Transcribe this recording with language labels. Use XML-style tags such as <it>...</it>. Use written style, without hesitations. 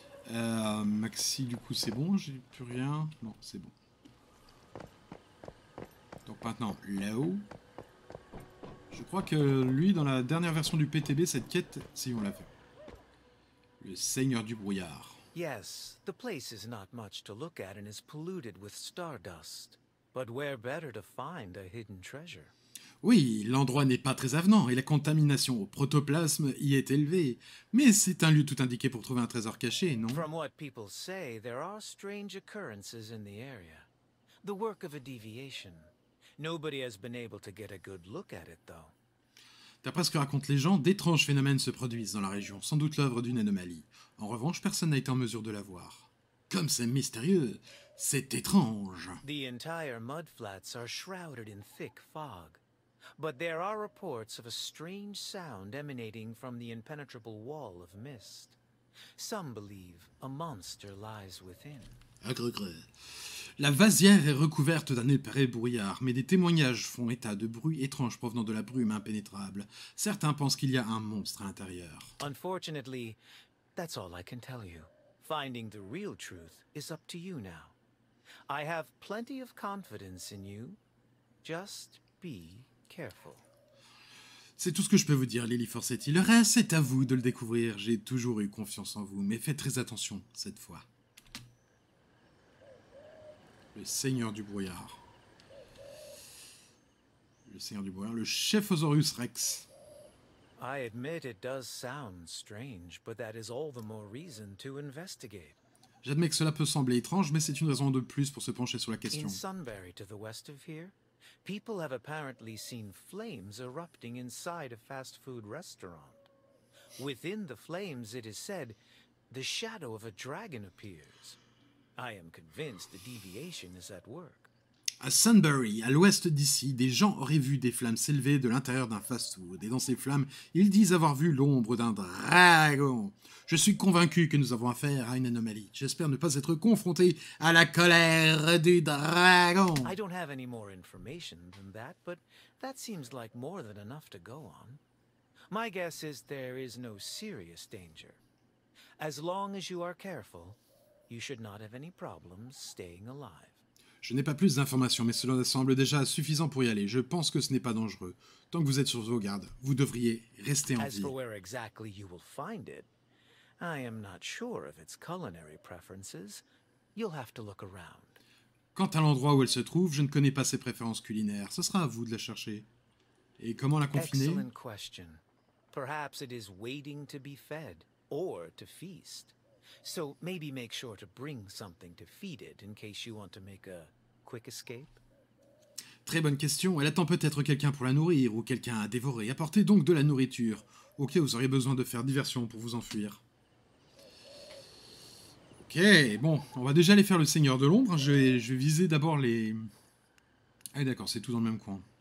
<fr>Maxi, du coup, c'est bon, j'ai plus rien. Non, c'est bon. Donc maintenant, là-haut. Je crois que lui, dans la dernière version du PTB, cette quête, si on l'a fait. Le seigneur du brouillard.</fr> <en>Yes, the place is not much to look at and is polluted with stardust. But where better to find a hidden treasure?</en> <fr>Oui, l'endroit n'est pas très avenant et la contamination au protoplasme y est élevée. Mais c'est un lieu tout indiqué pour trouver un trésor caché, non?</fr> <en>From what people say, there are strange occurrences in the area. The work of a deviation. Nobody has been able to get a good look at it, though.</en> <fr>D'après ce que racontent les gens, d'étranges phénomènes se produisent dans la région, sans doute l'œuvre d'une anomalie. En revanche, personne n'a été en mesure de la voir. Comme c'est mystérieux, c'est étrange.</fr> <en>The entire mud flats are shrouded in thick fog, but there are reports of a strange sound emanating from the impenetrable wall of mist. Some believe a monster lies within.</en> <fr>La vasière est recouverte d'un épais brouillard, mais des témoignages font état de bruits étranges provenant de la brume impénétrable. Certains pensent qu'il y a un monstre à l'intérieur.</fr> <en>Unfortunately, that's all I can tell you. Finding the real truth is up to you now. I have plenty of confidence in you. Just be careful.</en> <fr>C'est tout ce que je peux vous dire, Lily Forsetti. Le reste, c'est à vous de le découvrir. J'ai toujours eu confiance en vous, mais faites très attention cette fois. Le seigneur du brouillard. Le seigneur du brouillard, le chef Osorius Rex.</fr> <en>I admit it does sound strange, but that is all the more reason to investigate.</en> <fr>J'admets que cela peut sembler étrange, mais c'est une raison de plus pour se pencher sur la question.</fr> <en>In Sunbury, to the west of here, people have apparently seen flames erupting inside a fast food restaurant. Within the flames, it is said, the shadow of a dragon appears. I am convinced the deviation is at work.</en> <fr>À Sunbury, à l'ouest d'ici, des gens auraient vu des flammes s'élever de l'intérieur d'un fast-food, et dans ces flammes, ils disent avoir vu l'ombre d'un dragon. Je suis convaincu que nous avons affaire à une anomalie. J'espère ne pas être confronté à la colère du dragon.</fr> <en>I don't have any more information than that, but that seems like more than enough to go on. My guess is there is no serious danger. As long as you are careful, you should not have any problems staying alive.</en> <fr>Je n'ai pas plus d'informations, mais cela semble déjà suffisant pour y aller. Je pense que ce n'est pas dangereux. Tant que vous êtes sur vos gardes, vous devriez rester en vie.</fr> <en>As for where exactly you will find it, I am not sure of its culinary preferences. You'll have to look around.</en> <fr>Quant à l'endroit où elle se trouve, je ne connais pas ses préférences culinaires. Ce sera à vous de la chercher. Et comment la confiner ?</fr> <en>Excellent question. Perhaps it is waiting to be fed or to feast. So maybe make sure to bring something to feed it in case you want to make a quick escape.</en> <fr>Très bonne question. Elle attend peut-être quelqu'un pour la nourrir ou quelqu'un à dévorer. Apportez donc de la nourriture. Ok, vous auriez besoin de faire diversion pour vous enfuir. Ok, bon, on va déjà aller faire le seigneur de l'ombre. Je vais viser d'abord les Ah d'accord, c'est tout dans le même coin.</fr>